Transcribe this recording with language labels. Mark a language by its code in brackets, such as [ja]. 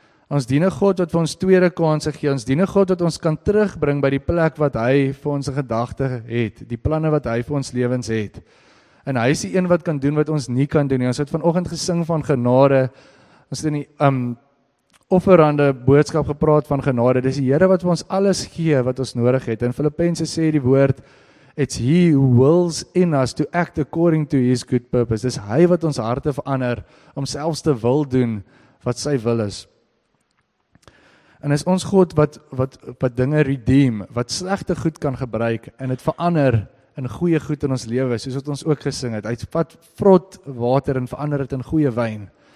[af] Ons dien 'n God wat vir ons tweede kanse gee, ons dien 'n God wat ons kan terugbring by die plek wat hy vir ons gedagte het, die planne wat hy vir ons lewens het. En hy is die een wat kan doen wat ons nie kan doen nie. Ons het vanoggend gesing van genade. Ons het in die offerande boodskap gepraat van genade. Dis die Here wat vir ons alles gee wat ons nodig het. In Filippense sê die woord, [en] it's he who wills in us to act according to his good purpose. [af] Dis hy wat ons harte verander om selfs te wil doen wat sy wil is. En is ons God wat dinge redeem, wat slegte goed kan gebruik en het verander in goeie goed in ons lewe, soos wat ons ook gesing het. Hy vat vrot water en verander het in goeie wyn.